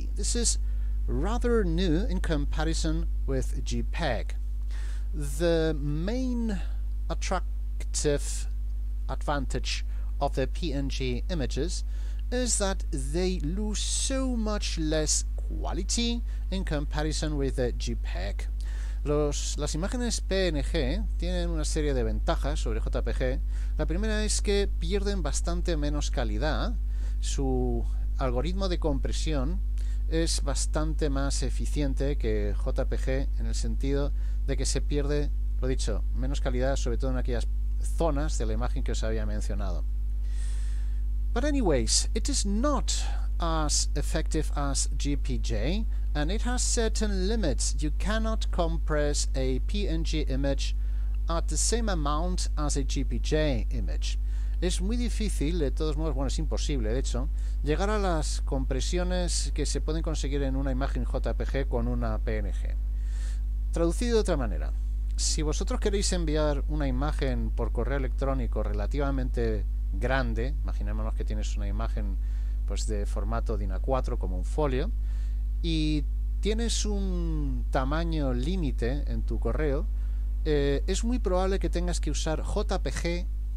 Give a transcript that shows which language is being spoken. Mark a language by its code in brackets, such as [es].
[en] This is rather new in comparison with JPEG. The main attractive advantage of the PNG images is that they lose so much less quality in comparison with the JPEG. [es] Las imágenes PNG tienen una serie de ventajas sobre JPG. La primera es que pierden bastante menos calidad. Su algoritmo de compresión es bastante más eficiente que JPG en el sentido de que se pierde, lo dicho, menos calidad, sobre todo en aquellas zonas de la imagen que os había mencionado. [en] But anyways, it is not as effective as JPG, and it has certain limits. You cannot compress a PNG image at the same amount as a JPG image. [es] Es muy difícil, de todos modos, bueno, es imposible, de hecho, llegar a las compresiones que se pueden conseguir en una imagen JPG con una PNG. Traducido de otra manera, si vosotros queréis enviar una imagen por correo electrónico relativamente grande, imaginémonos que tienes una imagen pues de formato DIN A4 como un folio, y tienes un tamaño límite en tu correo, es muy probable que tengas que usar JPG